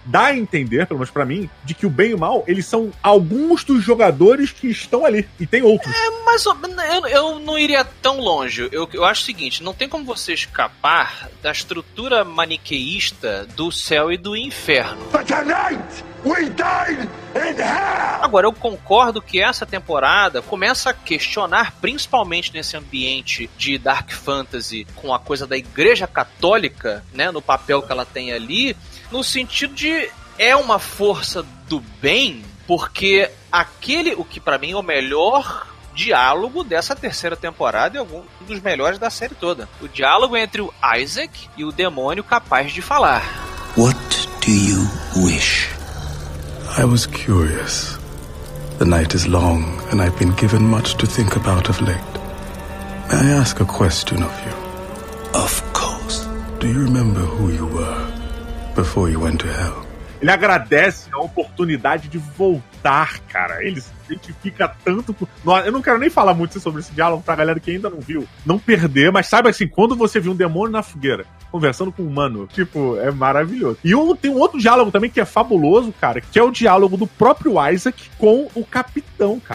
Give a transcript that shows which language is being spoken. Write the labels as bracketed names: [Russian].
[Portuguese] Dá a entender, pelo menos pra mim, de que o bem e o mal, eles são alguns dos jogadores que estão ali. E tem outros. É, mas eu não iria tão longe. Eu acho o seguinte, não tem como você escapar da estrutura maniqueísta do céu e do inferno. [English] But tonight we died in hell. [Portuguese] Agora, eu concordo que essa temporada começa a questionar, principalmente nesse ambiente de dark fantasy, com a coisa da Igreja Católica, né, no papel que ela tem ali, no sentido de é uma força do bem, porque aquele, o que pra mim é o melhor diálogo dessa terceira temporada e algum dos melhores da série toda. O diálogo entre o Isaac e o demônio capaz de falar. [English] What do you wish? I was curious. The night is long and I've been given much to think about of late. May I ask a question of you? Of course. Do you remember who you were before you went to hell? [Portuguese] Ele agradece a oportunidade de voltar, cara. Ele se identifica tanto... Eu não quero nem falar muito sobre esse diálogo pra galera que ainda não viu. Não perder, mas sabe assim, quando você viu um demônio na fogueira conversando com um humano, tipo, é maravilhoso. E tem um outro diálogo também que é fabuloso, cara, que é o diálogo do próprio Isaac com o capitão, cara.